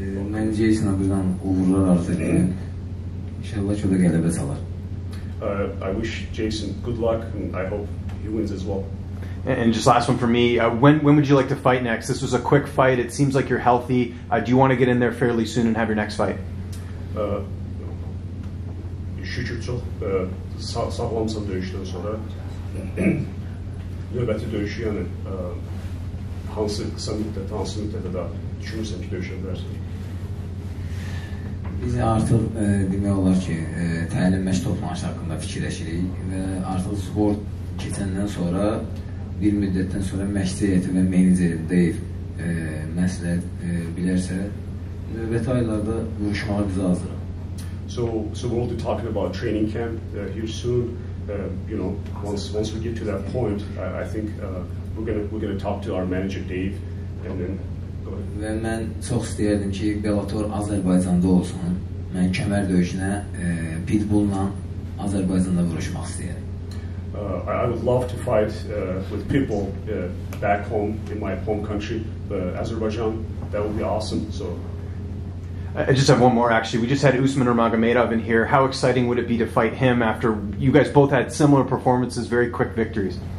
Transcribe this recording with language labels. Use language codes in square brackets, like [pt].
[az] Mən Jason'a buradan uğurlar arzu edirəm. İnşallah ki, o da qələbə çalar. [en] I wish Jason good luck and I hope he wins as well. And just last one for me, when would you like to fight next? This was a quick fight, it seems like you're healthy. Do you want to get in there fairly soon and have your next fight? [az] Şükür çox, sağlamsam döyüşdən sonra. Növbəti döyüşü, yəni, hansı qısa müddətdə, hansı müddətdə də düşünürsəm ki, döyüşə bilərsən. Biz artıq demək olar ki, təlim məşq toplanışı haqqında fikirləşirik və artıq spor keçəndən sonra bir müddətdən sonra məşq heyəti və menecerim deyil məsləhət bilərsə növbəti aylarda vuruşmağa biz hazırıq. [en] So we'll be talking about training camp here soon. You know, once we get to that point, I think we're gonna talk to our manager Dave and then. [az] Və mən çox istəyərdim ki, Bellator Azərbaycanda olsun. Mən kəmər döyüşünə Pitbull'la Azərbaycanda vuruşmaq istəyərim. [en] I would love to fight with Pitbull back home in my home country, Azerbaijan. That would be awesome. So I just have one more, actually. We just had Usman Nurmagomedov in here. How exciting would it be to fight him after you guys both had similar performances, very quick victories?